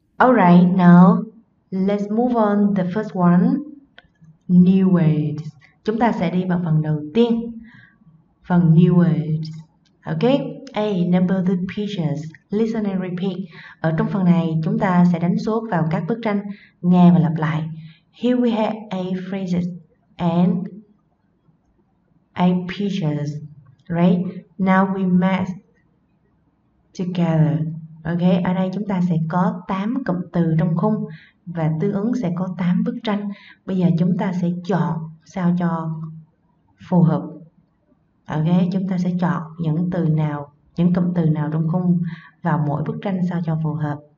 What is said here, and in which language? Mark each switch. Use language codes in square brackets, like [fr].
[en] Alright, now let's move on the first one. New words. [vi] Chúng ta sẽ đi vào phần đầu tiên, phần new words. [en] Ok, A, number the pictures, listen and repeat. [vi] Ở trong phần này, chúng ta sẽ đánh số vào các bức tranh, nghe và lặp lại. [en] Here we have a phrases and a pictures, right? Now we match together. [vi] Ok, ở đây chúng ta sẽ có 8 cụm từ trong khung và tương ứng sẽ có 8 bức tranh. Bây giờ chúng ta sẽ chọn sao cho phù hợp. Ok, chúng ta sẽ chọn những từ nào, những cụm từ nào trong khung vào mỗi bức tranh sao cho phù hợp.